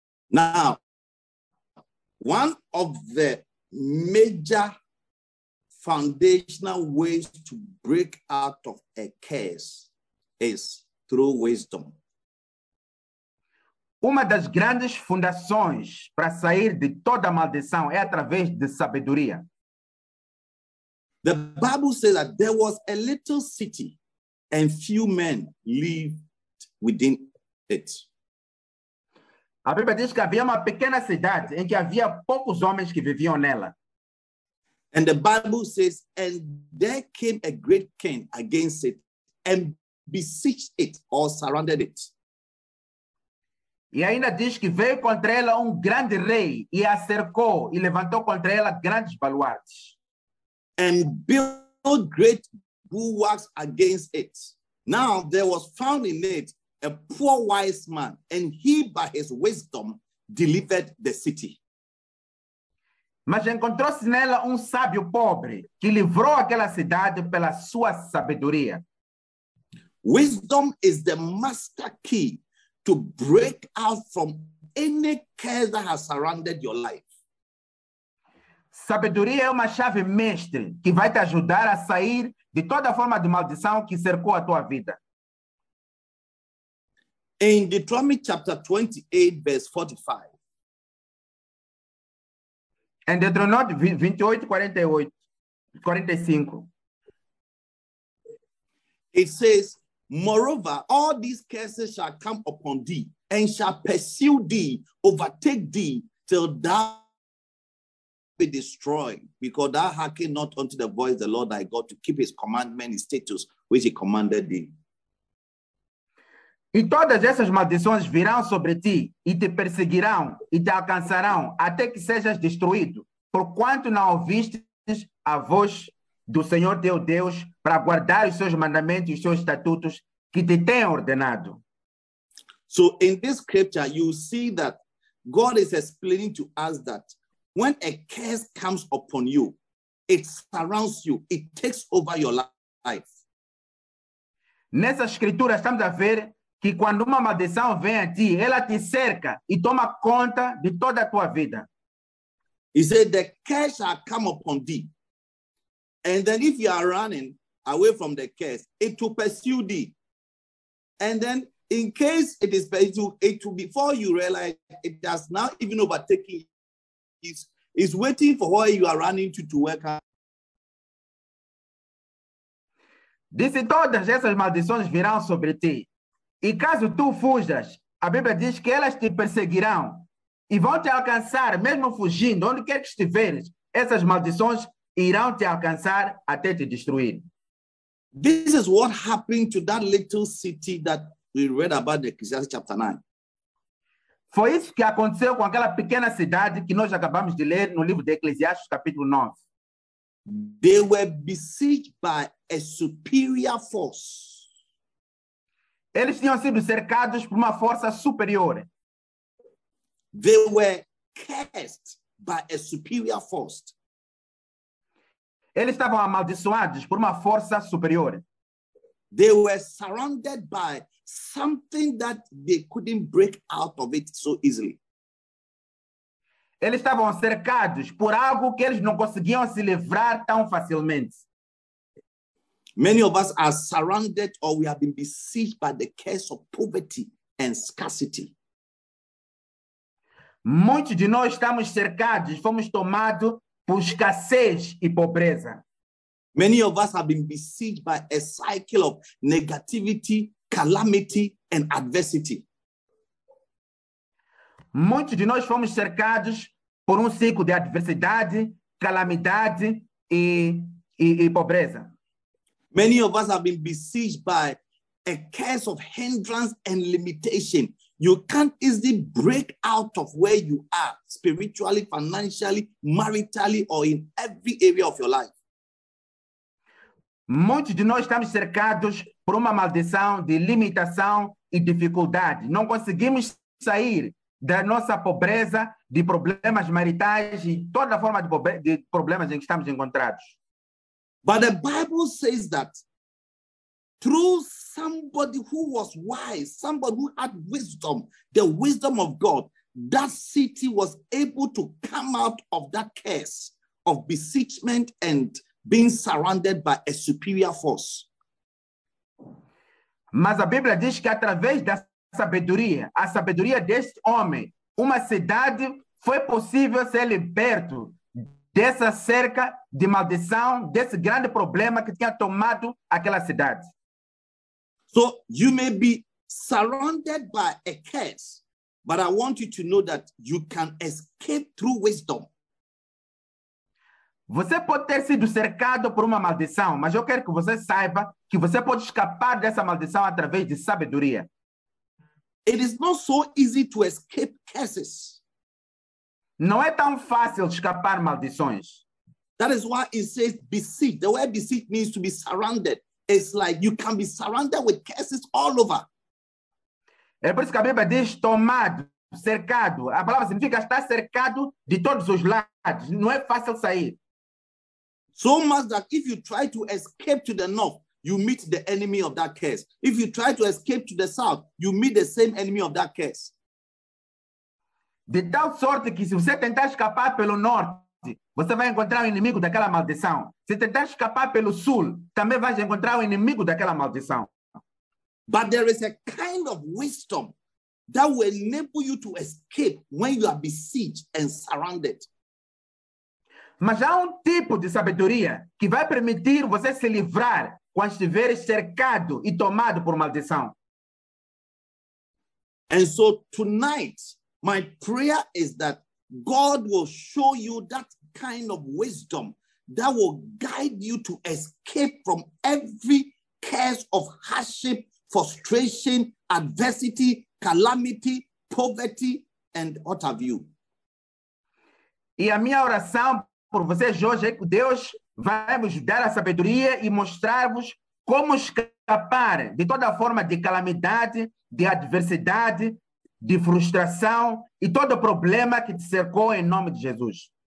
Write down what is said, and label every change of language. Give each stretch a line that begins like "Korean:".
English: Now, one of the major foundational ways to break out of a curse is through wisdom.
Portuguese: Uma das grandes fundações para sair de toda maldição é através de sabedoria.
English: The Bible says that there was a little city and few men lived within it.
Portuguese: A Bíblia diz que havia uma pequena cidade em que havia poucos homens que viviam nela.
English: And the Bible says, and there came a great king against it and besieged it or surrounded it.
Portuguese: E ainda diz que veio contra ela um grande rei e a cercou e levantou contra ela grandes baluartes.
English: And built great bulwarks against it. Now there was found in it a poor wise man, and he by his wisdom delivered the city.
Portuguese: Mas encontrou-se nela sábio pobre que livrou aquela cidade pela sua sabedoria.
English: Wisdom is the master key to break out from any curse that has surrounded your life.
Portuguese: Sabedoria é uma chave mestre que vai te ajudar a sair de toda forma de maldição que cercou a tua vida.
English: In Deuteronomy chapter 28, verse 45. And Deuteronomy 28:48-45. It says, moreover, all these curses shall come upon thee and shall pursue thee, overtake thee, till thou be destroyed, because thou hearken not unto the voice of the Lord thy God to keep his commandment, his statutes, which he commanded thee.
Portuguese: E todas essas maldições virão sobre ti e te perseguirão e te alcançarão até que sejas destruído, porquanto não ouvistes a voz do Senhor teu Deus para guardar os seus mandamentos e os seus estatutos que te tem ordenado.
English: So in this scripture you see that God is explaining to us that when a curse comes upon you, it surrounds you, it takes over your life.
Portuguese: Nessa escritura estamos a ver que quando uma maldição vem a ti, ela te cerca e toma conta de toda a tua vida.
English: He said, the curse shall come upon thee. And then if you are running away from the curse, it will pursue thee. And then in case it is pursued, it will, before you realize, it has now even overtaken you. It's waiting for where you are running to work out.
Portuguese: Disse, todas essas maldições virão sobre ti. E caso tu fujas, a Bíblia diz que elas te perseguirão e vão te alcançar, mesmo fugindo, onde quer que estiveres, essas maldições irão te alcançar até te destruir.
English: This is what happened to that little city that we read about in Ecclesiastes chapter 9.
Portuguese: Foi isso que aconteceu com aquela pequena cidade que nós acabamos de ler no livro de Eclesiastes, capítulo 9.
English: They were besieged by a superior force.
Portuguese: Eles tinham sido cercados por uma força superior.
English: They were cursed by a superior force.
Portuguese: Eles estavam amaldiçoados por uma força superior.
English: They were surrounded by something that they couldn't break out of it so easily.
Portuguese: Eles estavam cercados por algo que eles não conseguiam se livrar tão facilmente.
English: Many of us are surrounded or we have been besieged by the curse of poverty and scarcity.
Portuguese: Muitos de nós estamos cercados, fomos tomados por escassez e pobreza.
English: Many of us have been besieged by a cycle of negativity, calamity, and adversity.
Portuguese: Muitos de nós fomos cercados por ciclo de adversidade, calamidade e pobreza.
English: Many of us have been besieged by a curse of hindrance and limitation. You can't easily break out of where you are, spiritually, financially, maritally, or in every area of your life.
Portuguese: Muitos de nós estamos cercados por maldição, de limitação e dificuldade. Não conseguimos sair da nossa pobreza, de problemas maritais e toda forma de problemas em que estamos encontrados.
English: But the Bible says that through somebody who was wise, somebody who had wisdom, the wisdom of God, that city was able to come out of that curse of besiegement and being surrounded by a superior force.
Portuguese: Mas a Bíblia diz que através da sabedoria, a sabedoria deste homem, uma cidade foi possível ser liberto dessa cerca de maldição, desse grande problema que tinha tomado aquela cidade.
English: So you may be surrounded by a curse, but I want you to know that you can escape through wisdom.
Portuguese: Você pode ter sido cercado por maldição, mas eu quero que você saiba que você pode escapar dessa maldição através de sabedoria.
English: It is not so easy to escape curses.
Portuguese: Não tão fácil escapar maldições.
English: That is why it says besieged. The word besieged means to be surrounded. It's like you can be surrounded with curses all over.
Portuguese: É por isso que a Bíblia diz tomado, cercado. A palavra significa estar cercado de todos os lados. Não fácil sair.
English: So much that if you try to escape to the north, you meet the enemy of that curse. If you try to escape to the south, you meet the same enemy of that curse.
Portuguese: De tal sorte que se você tentar escapar pelo norte, você vai encontrar o inimigo daquela maldição. Se tentar escapar pelo sul, também vai encontrar o inimigo daquela maldição.
English: But there is a kind of wisdom that will enable you to escape when you are besieged and surrounded.
Portuguese: Mas há tipo de sabedoria que vai permitir você se livrar quando estiver cercado e tomado por maldição.
English: And so tonight, my prayer is that God will show you that kind of wisdom that will guide you to escape from every curse of hardship, frustration, adversity, calamity, poverty, and what have you.
Portuguese: E a minha oração por vocês hoje é que Deus vai vos dar a sabedoria e mostrar-vos como escapar de toda forma de calamidade, de adversidade, de frustração e todo problema que te cercou em nome de Jesus.